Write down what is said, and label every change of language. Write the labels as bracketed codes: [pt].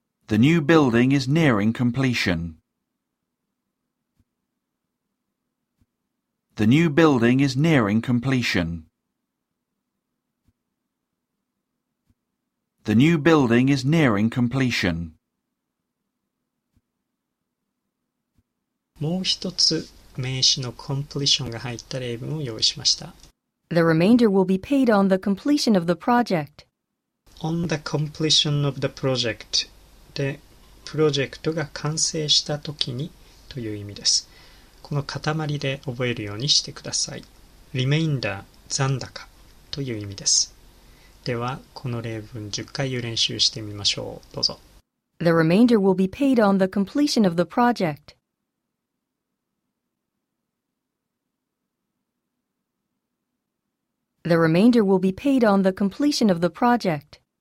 [en] The new building is nearing completion. The new building is nearing completion. The new building is nearing completion. [ja] もう一つ名詞の completion が入った例文を用意しました。 [en] The remainder will be paid on the completion of the project. On the completion of the project. [ja] で、プロジェクトが完成した時にという意味です。この塊で覚えるようにしてください。Remainder、残高という意味です。ではこの例文10回を練習してみましょう。どうぞ。 [en] The remainder will be paid on the completion of the project. The remainder will be paid on the completion of the project.